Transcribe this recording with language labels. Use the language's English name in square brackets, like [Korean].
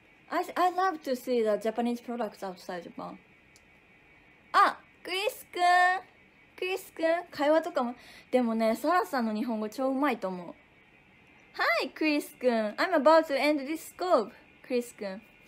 [English] I love to see the Japanese products outside Japan. [Japanese] あ、クリス君、会話とかも。でもね、サラさんの日本語超うまいと思う。 [English] Hi, Chris-kun. I'm about to end this scope, Chris-kun.